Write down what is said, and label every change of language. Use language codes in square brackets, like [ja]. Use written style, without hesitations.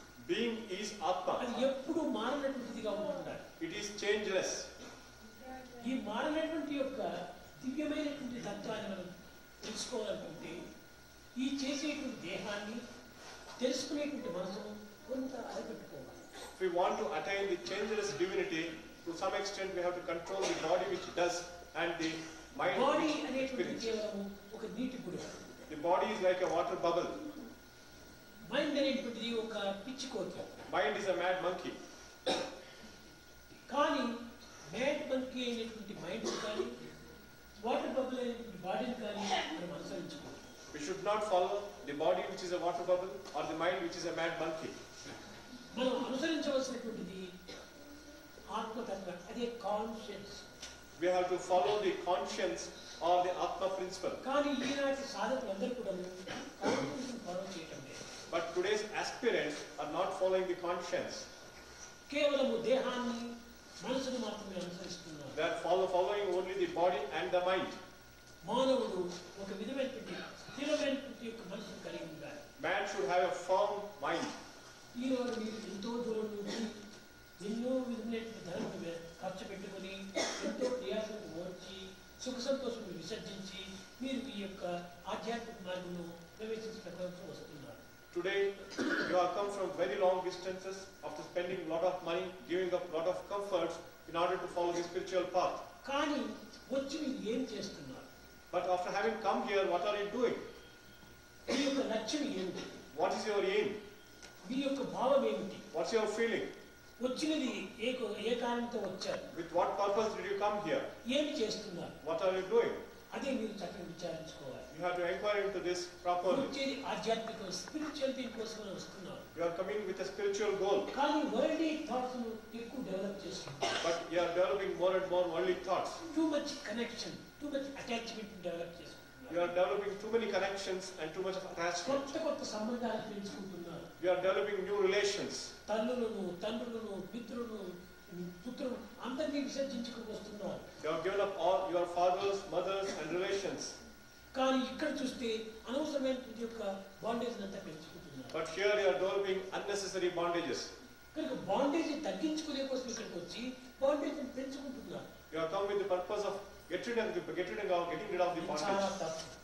[en] Being is atma. [te] అది ఎప్పుడు మారనటువంటిది గా ఉంటుంది. [en] It is changeless. [te] ఈ మారనటువంటి యొక్క దివ్యమైనటువంటి తత్వాన్ని మనం తెలుసుకోవాలనుకుంటే ఈ చేసేటువంటి దేహాన్ని తెలుసుకునేటువంటి మనసు కొంత అరిపెట్టుకోవాలి. [en] If we want to attain the changeless divinity, to some extent we have to control the body which does and the mind. [te] Body అనేటువంటి కేవలం ఒక నీటి బుడగ. [en] The body is like a water bubble. [te] Mind అనేటువంటిది ఒక పిచ్చి కోతి. [en] Mind is a mad monkey. [te] కానీ మ్యాడ్ మంకీ అనేటువంటి మైండ్ కానీ వాటర్ బబుల్ అనేటువంటి బాడీని కానీ మనం అనుసరించుకోవాలి. [en] We should not follow the body which is a water bubble or the mind which is a mad monkey. [te] మనం అనుసరించవలసినటువంటిది ఆత్మతత్వం, అదే conscious. [en] We have to follow the conscience or the Atma principle. [te] కానీ ఈనాటి సాధకులు అందరూ కూడా కాన్షియస్ని ఫాలో చేయటం లేదు. [en] But today's aspirants are not following the conscience. [te] కేవలము దేహాన్ని మనసును మాత్రమే అనుసరిస్తున్నారు. [en] They are following only the body and the mind. [te] మానవుడు ఒక విధమైనటువంటి స్థిరమైనటువంటి యొక్క మనసు కలిగి ఉండాలి. [en] Man should have a firm mind. [te] ఈరోజు మీరు ఎంతో దూరం నుంచి ఎన్నో విధమైనటువంటి ధనము ఖర్చు పెట్టుకుని ఎంతో ప్రయాసం ఓర్చి సుఖ సంతోషం విసర్జించి మీరు మీ యొక్క ఆధ్యాత్మిక మార్గంలో ప్రవేశించబడవలసి వస్తున్నారు. [en] Today you have come from very long distances after spending lot of money, giving up lot of comforts in order to follow the spiritual path. [te] Kani vachchi meeru em chestunnaru? [en] But after having come here, what are you doing? [te] Mee yokka lakshyam enti? [en] What is your aim? [te] Mee yokka bhavam enti? [en] What's your feeling? [te] Vachchinadi ee kaaranamto vacharu? [en] With what purpose did you come here? [te] Em chestunnaru? [en] What are you doing? [te] అదే మీరు చక్కగా విచారించుకోవాలి. [en] You have to enquire into this properly. [te] వచ్చేది ఆధ్యాత్మిక spiritual thing కోసం వస్తున్నారు. [en] You are coming with a spiritual goal. [te] కానీ worldly thoughts ను ఎక్కువ డెవలప్ చేస్తున్నారు. [en] But you are developing more and more worldly thoughts. [te] Too much connection, too much attachment develop చేస్తున్నారు. [en] You are developing too many connections and too much of attachment. [te] కొత్త కొత్త సంబంధాలు పెంచుకుంటున్నారు. [en] You are developing new relations. [te] తల్లులను, తండ్రులను, మిత్రులను, పుత్రులను అందరినీ విసర్జించుకొస్తున్నారు. [en] You have given up all your fathers, mothers and relations. [te] కానీ ఇక్కడ చూస్తే అనవసరమైనటువంటి యొక్క బాండేజ్ అంతా పెంచుకుంటున్నారు. [en] But here you are developing unnecessary bondages. [te] ఇక్కడ బాండేజ్ తగ్గించుకునే కోసం ఇక్కడికి వచ్చి బాండేజ్ ని పెంచుకుంటున్నారు. [en] You have come with the purpose of getting rid of the bondage.